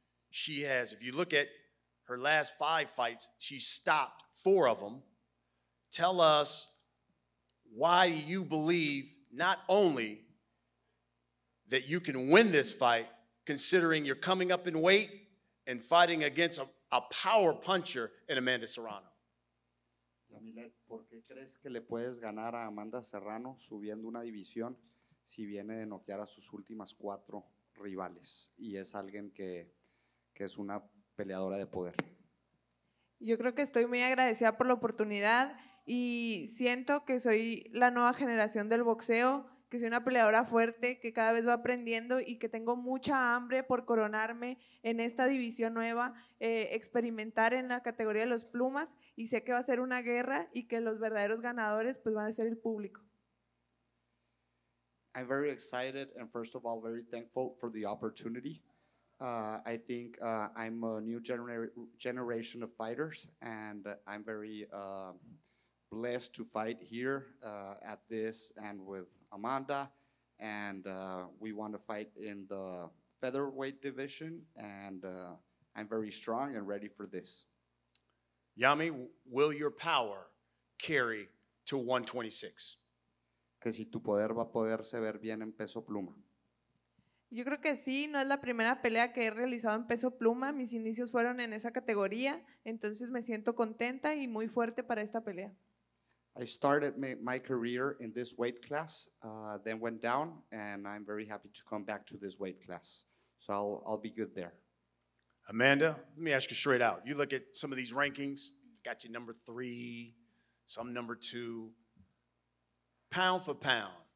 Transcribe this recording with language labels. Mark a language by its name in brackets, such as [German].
[English] She has, if you look at her last 5 fights, she stopped 4 of them. Tell us, why do you believe not only that you can win this fight, considering you're coming up in weight and fighting against a power puncher in Amanda Serrano? [Spanish] Yamileth, ¿por qué crees que le puedes ganar a Amanda Serrano subiendo una división si viene de noquear a sus últimas 4 rivales? Y es alguien que es una peleadora de poder. Yo creo que estoy muy agradecida por la oportunidad y siento que soy la nueva generación del boxeo, que soy una peleadora fuerte, que cada vez va aprendiendo y que tengo mucha hambre por coronarme en esta división nueva, experimentar en la categoría de los plumas, y sé que va a ser una guerra y que los verdaderos ganadores pues van a ser el público. [English] I'm very excited and first of all very thankful for the opportunity. I think I'm a new generation of fighters, and I'm very blessed to fight here at this and with Amanda. And we want to fight in the featherweight division, and I'm very strong and ready for this. Yami, will your power carry to 126? [Spanish] Que si tu poder va a poderse ver bien en peso pluma. Yo creo que sí, no es la primera pelea que he realizado en peso pluma. Mis inicios fueron en esa categoría, entonces me siento contenta y muy fuerte para esta pelea. [English] I started my career in this weight class, then went down, and I'm very happy to come back to this weight class. So I'll be good there. Amanda, let me ask you straight out. You look at some of these rankings, got you number 3, some number 2. Pound for pound.